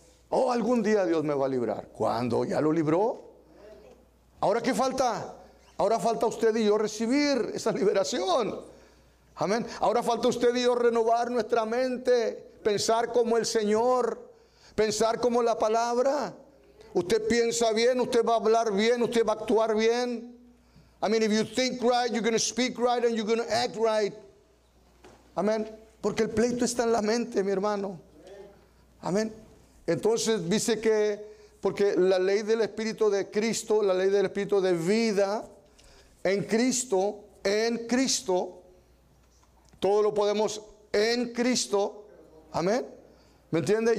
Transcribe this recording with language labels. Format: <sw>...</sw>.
<es>Oh, algún día Dios me va a librar. ¿Cuándo? ¿Ya lo libró? ¿Ahora qué falta? Ahora falta usted y yo recibir esa liberación. Amén. Ahora falta usted y yo renovar nuestra mente, pensar como el Señor, pensar como la palabra. Usted piensa bien, usted va a hablar bien, usted va a actuar bien.</es> <en>I mean, if you think right, you're going to speak right and you're going to act right.</en> <es>Amén. Porque el pleito está en la mente, mi hermano. Amén. Entonces dice que, porque la ley del Espíritu de Cristo, la ley del Espíritu de vida en Cristo, todo lo podemos en Cristo. Amén. ¿Me entiende?</es>